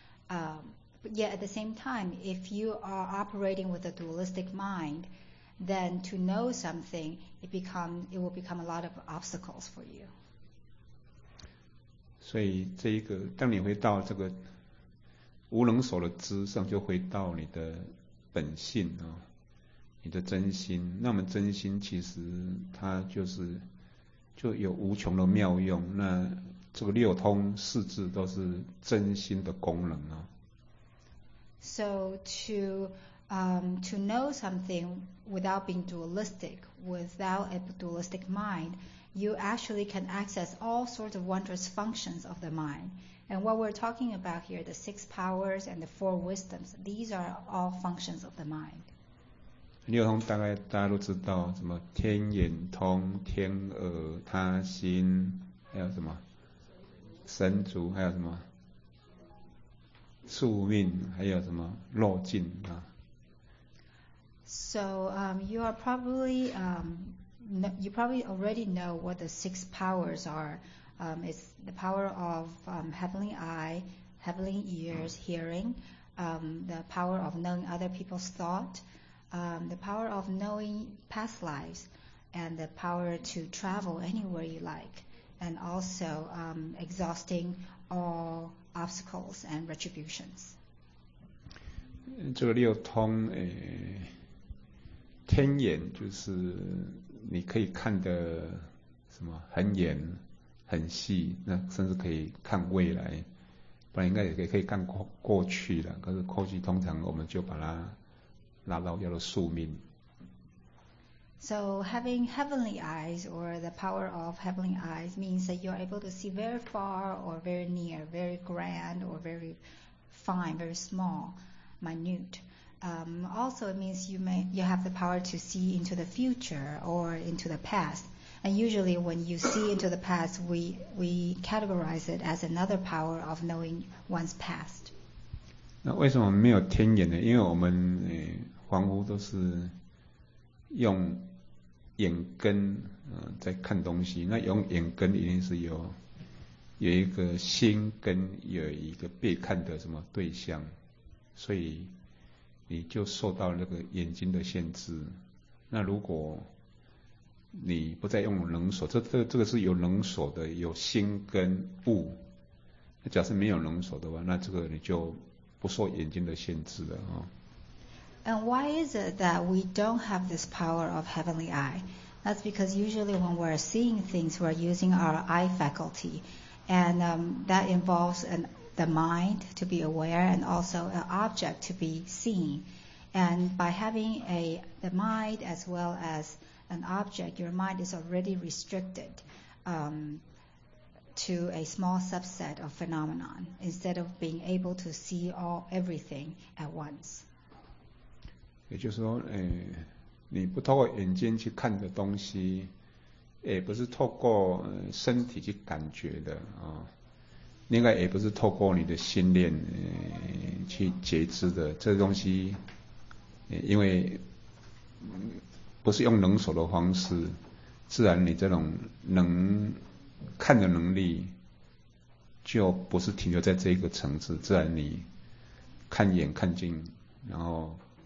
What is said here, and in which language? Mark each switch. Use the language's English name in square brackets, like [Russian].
[English] But yet at the same time, if you are operating with a dualistic mind, then to know something, it will become a lot of obstacles for you. [Chinese] 所以这一个，当你回到这个无能所的知上，就回到你的本性啊、哦，你的真心。那么真心其实它就是。就有无穷的妙用那这个六通四智都是真心的功能、啊、 [English] So to know something without being dualistic without a dualistic mind you actually can access all sorts of wondrous functions of the mind and what we're talking about here the six powers and the four wisdoms these are all functions of the mind [Chinese] 六通大概大家都知道什么天眼通天耳他心还有什么神足还有什么宿命还有什么肉尽、啊、 [English] So you are probably you probably already know what the six powers are it's the power of heavenly eye heavenly ears hearing the power of knowing other people's thoughtthe power of knowing past lives and the power to travel anywhere you like and also exhausting all obstacles and retributions [Chinese] 这个六通、天眼就是你可以看得什么很远很细那甚至可以看未来不然应该也可以看 过去的可是过去通常我们就把它拉到叫做宿命 [English] So having heavenly eyes or the power of heavenly eyes means that you're able to see very far or very near, very grand or very fine, very small, minute. Also, it means you have the power to see into the future or into the past. And usually when you see into the past, we categorize it as another power of knowing one's past. [Chinese] 那为什么没有天眼呢？因为我们恍惚都是用眼根在看东西，那用眼根一定是有一个心跟有一个被看的什么对象，所以你就受到那个眼睛的限制。那如果你不再用能所，这个是有能所的，有心跟物。那假设没有能所的话，那这个你就不受眼睛的限制了啊。 [English] And why is it that we don't have this power of heavenly eye? That's because usually when we're seeing things, we're using our eye faculty. And that involves the mind to be aware and also an object to be seen. And by having the mind as well as an object, your mind is already restricted to a small subset of phenomenon instead of being able to see everything at once. [Chinese] 也就是说，你不透过眼睛去看的东西，也不是透过身体去感觉的啊，另外也不是透过你的心念去觉知的。这东西，因为不是用能所的方式，自然你这种能看的能力就不是停留在这个层次，自然你看眼看近，然后。